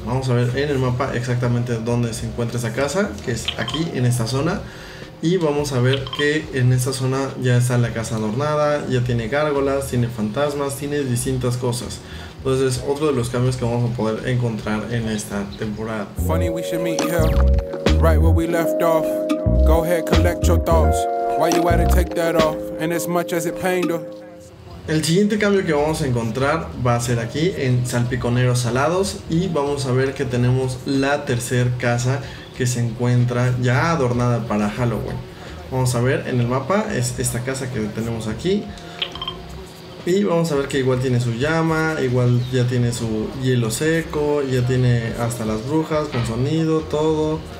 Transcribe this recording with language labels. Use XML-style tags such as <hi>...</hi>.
<es>Vamos a ver en el mapa exactamente dónde se encuentra esa casa, que es aquí en esta zona. Y vamos a ver que en esta zona ya está la casa adornada, ya tiene gárgolas, tiene fantasmas, tiene distintas cosas. Entonces es otro de los cambios que vamos a poder encontrar en esta temporada.</es> <en>Funny we should meet here. Right where we left off. Go ahead, collect your thoughts. Why you had to take that off? And as much as it pained her.</en> <es>El siguiente cambio que vamos a encontrar va a ser aquí en Salpiconeros Salados. Y vamos a ver que tenemos la tercer casa que se encuentra ya adornada para Halloween. Vamos a ver en el mapa, es esta casa que tenemos aquí. Y vamos a ver que igual tiene su llama, igual ya tiene su hielo seco, ya tiene hasta las brujas con sonido, todo.</es>